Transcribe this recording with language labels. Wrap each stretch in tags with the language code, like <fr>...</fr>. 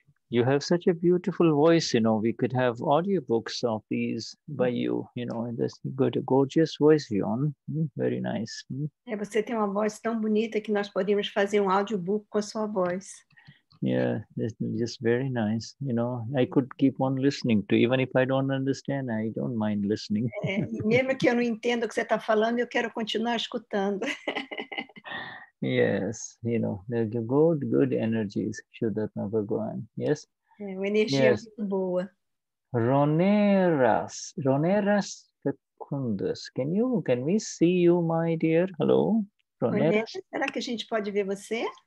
<en>You have such a beautiful voice, you know, we could have audiobooks of these by you, you know, and this good, gorgeous voice, Vion. Very nice.</en> <pt>É, você tem uma voz tão bonita que nós podemos fazer audiobook com a sua voz.</pt> <en>Yeah, this is just very nice, you know, I could keep on listening to, even if I don't understand, I don't mind listening.</en> <pt>É, mesmo que eu não entenda o que você está falando, eu quero continuar escutando.</pt> <en>Yes, you know, the good energies, Vishuddhatma Bhagwan. Yes?</en> <pt>Energia</pt> <en>yes.</en> <pt>Boa. Roneras fecundas.</pt> <en>Can we see you, my dear? Hello?</en> <pt>Roneras? Será que a gente pode ver você?</pt>